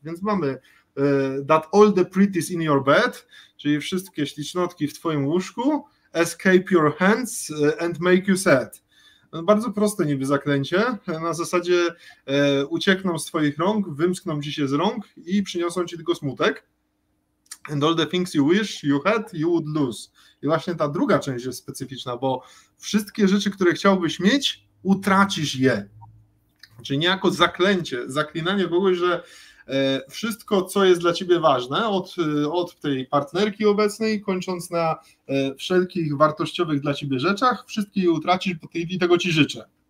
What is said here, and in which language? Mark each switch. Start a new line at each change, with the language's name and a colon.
Polish: Więc mamy
English: that all the pretties in your bed,
Polish: czyli wszystkie ślicznotki w twoim łóżku,
English: escape your hands and make you sad.
Polish: Bardzo proste niby zaklęcie, na zasadzie uciekną z twoich rąk, wymskną ci się z rąk i przyniosą ci tylko smutek.
English: And all the things you wish you had, you would lose.
Polish: I właśnie ta druga część jest specyficzna, bo wszystkie rzeczy, które chciałbyś mieć, utracisz je. Czyli niejako zaklęcie, zaklinanie kogoś, że wszystko, co jest dla ciebie ważne, od tej partnerki obecnej, kończąc na wszelkich wartościowych dla ciebie rzeczach, wszystkie je utracisz, bo tego ci życzę.